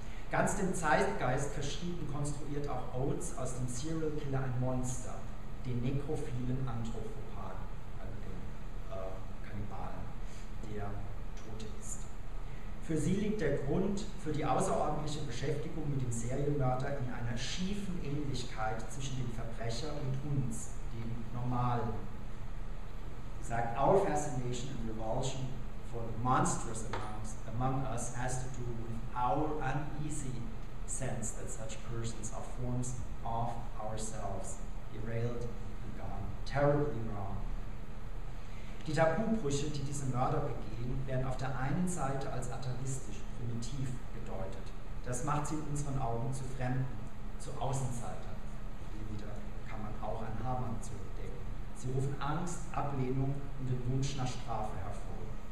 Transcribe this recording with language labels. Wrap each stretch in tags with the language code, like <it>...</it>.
<de>Ganz dem Zeitgeist verschrieben konstruiert auch Oates aus dem Serial Killer ein Monster, den nekrophilen Anthropophagen, also den Kannibalen, der Tote ist. Für sie liegt der Grund für die außerordentliche Beschäftigung mit dem Serienmörder in einer schiefen Ähnlichkeit zwischen dem Verbrecher und uns, dem Normalen. Sie sagt,</de> <en>our fascination and revulsion for the monstrous among us has to do with our uneasy sense that such persons are forms of ourselves, derailed and gone terribly wrong.</en> <de>Die Tabubrüche, die diese Mörder begehen, werden auf der einen Seite als atavistisch, primitiv gedeutet. Das macht sie in unseren Augen zu Fremden, zu Außenseitern. Hier wieder kann man auch an Hamann zurückdenken. Sie rufen Angst, Ablehnung und den Wunsch nach Strafe hervor.</de>